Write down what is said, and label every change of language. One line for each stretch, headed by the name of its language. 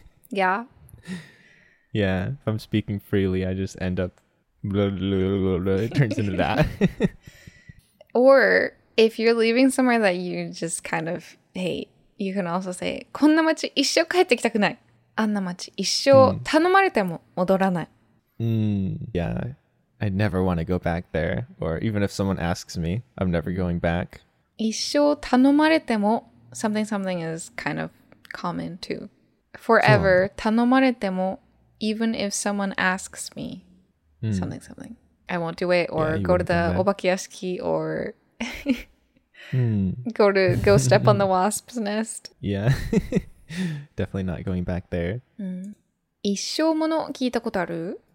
English: Yeah. Yeah, if I'm speaking freely, I just end up... Blah, blah, blah, blah, blah, it turns into that. Or if you're leaving somewhere that you just kind of hate, you can also say,
Japanese: こんな街一生帰ってきたくない. あんな街一生頼まれても戻らない.
English: Yeah, I never want to go back there. Or even if someone asks me, I'm never going back.
Japanese: 一生頼まれても,
English: something something is kind of common too. Forever,
Japanese: 頼まれても,
English: even if someone asks me, something something. I won't do it, or yeah, go to the obakiyashiki, or go step on the wasp's nest. Yeah, definitely not going back there.
Japanese: 一生もの聞いたことある?